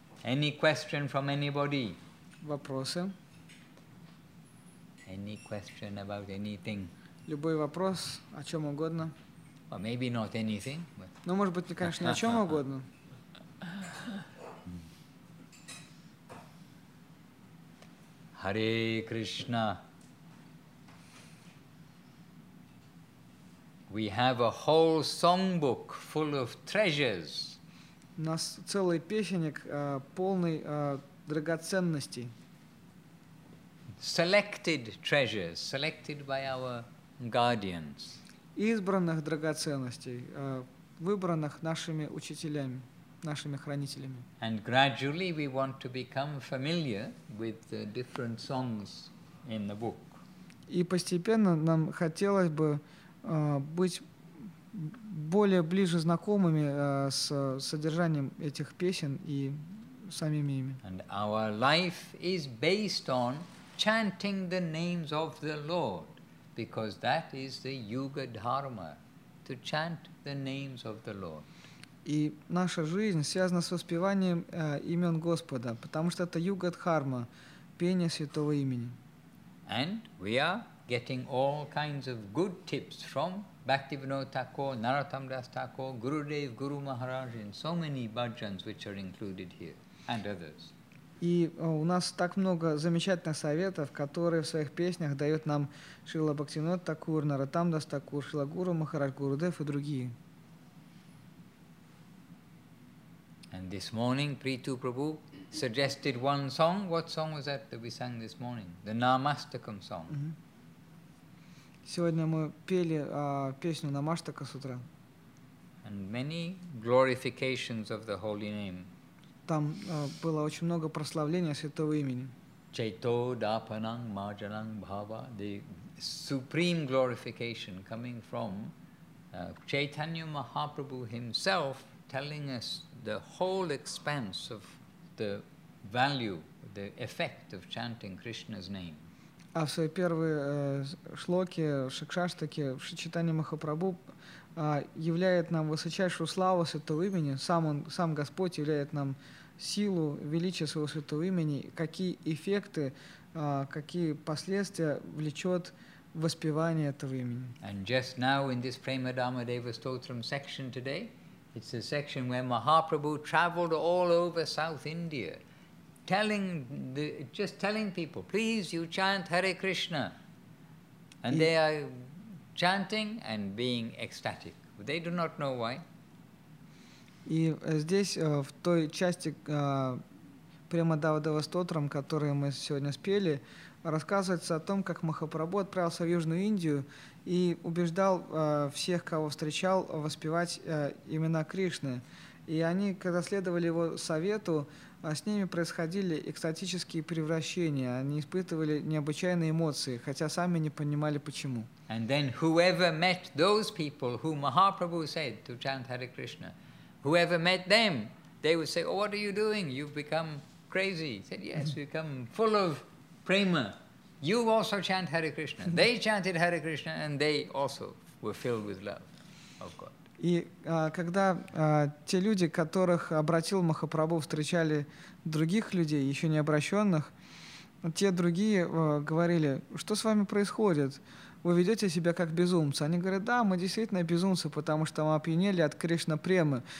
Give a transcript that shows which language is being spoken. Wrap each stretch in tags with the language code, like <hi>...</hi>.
<en>Any question from anybody?</en> <ru>Вопросы?</ru> <en>Any question about anything?</en> <ru>Любой вопрос, о чем угодно.</ru> <en>Well, maybe not anything. But...</en> <ru>Ну, может быть, не, конечно, о чем угодно.</ru> <en>Hare Krishna. We have a whole songbook full of treasures.</en> <ru>У нас целый песенник, полный драгоценностей.</ru> <en>Selected treasures, selected by our guardians.</en> <ru>Избранных драгоценностей, выбранных нашими учителями, нашими хранителями.</ru> <en>And gradually we want to become familiar with the different songs in the book.</en> <ru>И постепенно нам хотелось бы быть более ближе знакомыми с содержанием этих песен и самими ими.</ru> <en>And our life is based on chanting the names of the Lord, because that is the yuga dharma, to chant the names of the Lord.</en> <ru>И наша жизнь связана с воспеванием имен Господа, потому что это юга дхарма, пение святого имени.</ru> <en>And we are getting all kinds of good tips from Bhaktivinoda Thakur, Narottam Das Thakur, Gurudev, Guru Maharaj, and so many bhajans which are included here, and others.</en> <ru>И у нас так много замечательных советов, которые в своих песнях дает нам Шрила Бхактивинода Такур, Нараттам Дас Такур, Шрила Гуру Махарадж, Гурудев и другие.</ru> <en>And this morning, Preetu Prabhu suggested one song. What song was that that we sang this morning? The Namastakam song. Mm-hmm.</en> <ru>Сегодня мы пели песню Намаштака с утра.</ru> <en>And many glorifications of the holy name.</en> <ru>Там было очень много прославления святого имени.</ru> <sa>Чайто дапанам маджанам бхава,</sa> <en>the supreme glorification coming from Chaitanya Mahaprabhu himself telling us the whole expanse of the value, the effect of chanting Krishna's name.</en> <ru>А в своей первой шлоке Шикшаштаке Шри Чайтанья Махапрабху являет нам высочайшую славу святого имени. Сам Господь являет нам силу, величие своего святого имени. Какие эффекты, какие последствия влечет воспевание этого имени.</ru> <en>And just now in this Premadama Deva Stotram section today, it's a section where Mahaprabhu traveled all over South India. Telling people, please, you chant Hare Krishna, and they are chanting and being ecstatic. They do not know why.</en> <ru>И здесь в той части Премадава Девастотрам, которую мы сегодня спели, рассказывается о том, как Махапрабху отправился в Южную Индию и убеждал всех, кого встречал, воспевать имена Кришны. И они, когда следовали его совету, с ними происходили экстатические превращения. Они испытывали необычайные эмоции, хотя сами не понимали, почему.</ru> <en>And then whoever met those people who Mahaprabhu said to chant Hare Krishna, whoever met them, they would say, oh, what are you doing? You've become crazy. He said, yes, you've become full of prema. You also chant Hare Krishna. They chanted Hare Krishna and they also were filled with love of God.</en> <ru>И когда те люди, которых обратил Махапрабху, встречали других людей, еще не обращенных, те другие говорили, что с вами происходит? Вы ведете себя как безумцы. Они говорят, да, мы действительно безумцы, потому что мы опьянели от Кришна-премы.</ru>